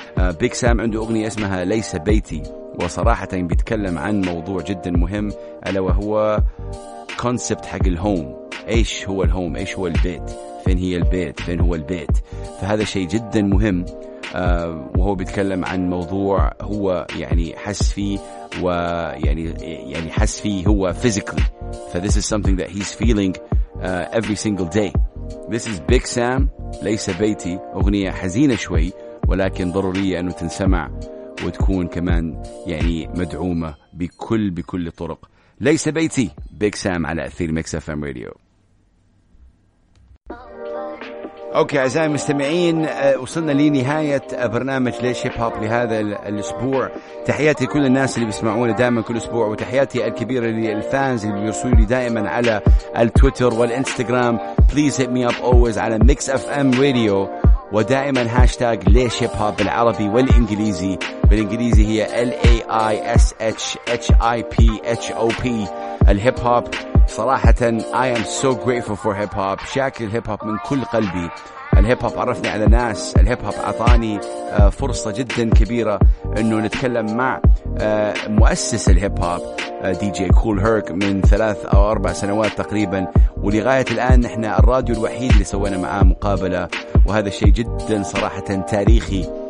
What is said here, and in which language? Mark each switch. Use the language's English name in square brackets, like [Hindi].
[Arabic] بيك سام عنده أغنية اسمها ليس بيتي، وصراحة بيتكلم عن موضوع جدا مهم، ألا وهو concept حق الهوم. ايش هو الهوم؟ ايش هو البيت؟ فين هي البيت؟ فين هو البيت؟ فهذا شيء جدا مهم. وهو بيتكلم عن موضوع هو يعني حس فيه ويعني يعني حس فيه هو physically. [English] ف this is something that he's feeling every single day. This is Big Sam, [Arabic] ليس بيتي, أغنية حزينة شوي ولكن ضرورية أنه تنسمع وتكون كمان يعني مدعومة بكل طرق. ليس بيتي, Big Sam على أثير Mix FM Radio. أوكي أعزائي المستمعين, وصلنا لنهاية برنامج ليش هيب هوب لهذا الأسبوع. تحياتي لكل الناس اللي بيسمعونا دائما كل أسبوع, وتحياتي الكبيرة للفانز اللي بيرسلوا لي دائما على التويتر والإنستغرام. [English] Please hit me up always [Arabic] على Mix FM Radio, ودائما هاشتاج ليش هيب هوب بالعربي والإنجليزي. بالإنجليزي هي LAISHHIPHOP الهيب هوب. صراحة [English] I am so grateful for hip hop. [Arabic] شاكر الهيب هوب من كل قلبي. الهيب هوب عرفني على ناس, الهيب هوب عطاني فرصة جدا كبيرة انه نتكلم مع مؤسس الهيب هوب دي جي كول هيرك من 3 أو 4 سنوات تقريبا, ولغاية الآن نحن الراديو الوحيد اللي سوينا معاه مقابلة, وهذا شيء جدا صراحة تاريخي.